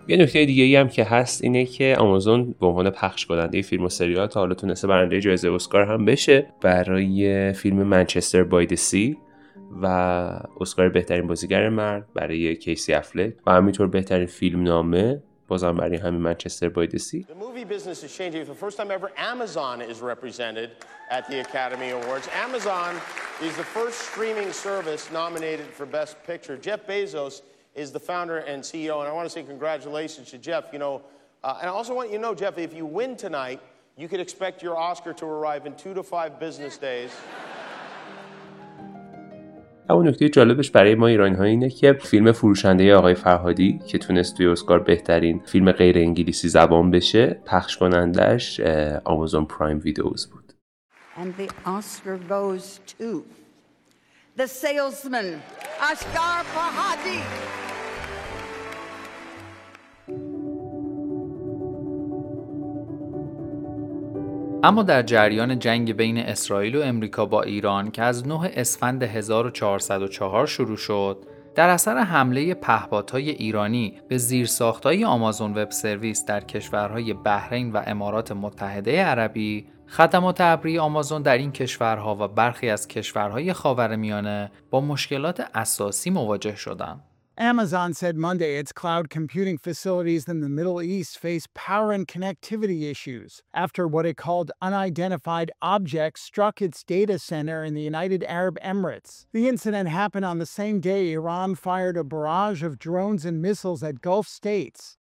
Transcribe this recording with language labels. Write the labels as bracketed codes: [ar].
[fa] یه نکته دیگه ای هم که هست اینه که آمازون به عنوان پخش کننده فیلم و سریال تا حالا تونسته برنده جایزه اسکار هم بشه برای فیلم Manchester by the Sea و اسکار بهترین بازیگر مرد برای کیسی افلک، و همینطور بهترین فیلم نامه بازم برای همین Manchester by the Sea. [en] The movie business is changing. For the first time ever, Amazon is represented at the Academy Awards. Amazon is the first streaming service nominated for Best Picture. Jeff Bezos is the founder and CEO, and I want to say congratulations to Jeff. You know, and I also want you to know, Jeff, if you win tonight, you could expect your Oscar to arrive in 2 to 5 business days. [fa] اما نکته جالبش برای ما ایرانی‌ها اینه که فیلم فروشنده آقای فرهادی که تونست توی اسکار بهترین فیلم غیر انگلیسی زبان بشه، پخش کنندش آمازون پرایم ویدیوز بود. [en] And the Oscar goes to the salesman Asghar Farhadi. [fa] اما در جریان جنگ بین اسرائیل و امریکا با ایران که از 9 اسفند 1404 شروع شد، در اثر حمله پهپادهای ایرانی به زیرساخت‌های آمازون وب سرویس در کشورهای بحرین و امارات متحده عربی، خدمات ابری آمازون در این کشورها و برخی از کشورهای خاورمیانه با مشکلات اساسی مواجه شدند. [en] Amazon said Monday its cloud computing facilities in the Middle East face power and connectivity issues after what it called unidentified objects struck its data center in the United Arab Emirates. The incident happened on the same day Iran fired a barrage of drones and missiles at Gulf states.